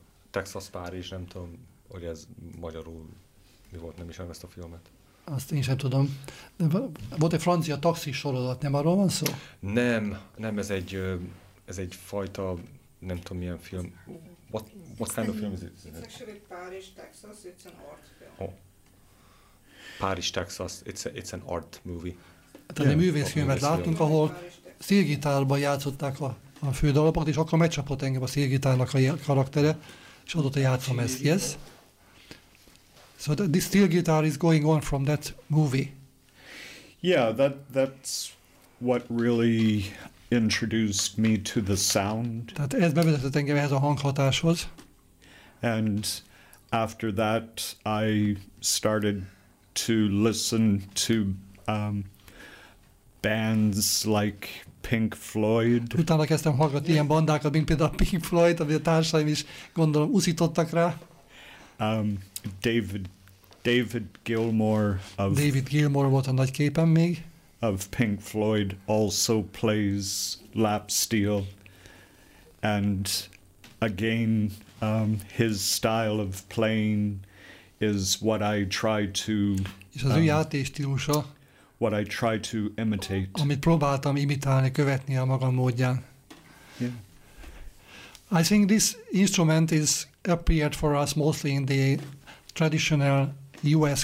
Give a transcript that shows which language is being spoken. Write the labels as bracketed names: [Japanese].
[Hungarian] Texas Paris, nem tudom, hogy ez magyarul mi volt, nem ismerem ezt a filmet. Azt én sem tudom. De volt egy francia taxis sorozat, nem arról van szó? Nem, ez egy fajta, nem tudom milyen film. [English] What kind of film is it? It's actually Paris, Texas, it's an art film. Oh. Paris, Texas, it's an art movie. [Hungarian] Tehát egy művészfilmet láttunk, ahol szélgitárban játszották a fő dalapot, és akkor megcsapott engem a szélgitárnak a karaktere, és adott a játszom ezt, yes? [English] So the steel guitar is going on from that movie. Yeah, that's what really introduced me to the sound. [Hungarian] Tehát ez bevezetett engem ehhez a hanghatáshoz. [English] And after that, I started to listen to bands like Pink Floyd. [Hungarian] Utána kezdtem hallgatni ilyen bandákat, mint például Pink Floyd, ami a társaim is gondolom uszítottak rá. [English] David Gilmour [Hungarian] volt a nagy képen még. [English] Of Pink Floyd also plays lap steel, and again his style of playing is what I try to. [Hungarian] És az ő játéstílusa. [English] What I try to imitate. [Hungarian] Amit próbáltam imitálni, követni a magam módján. [English] Yeah. I think this instrument is appeared for us mostly in the traditional U.S.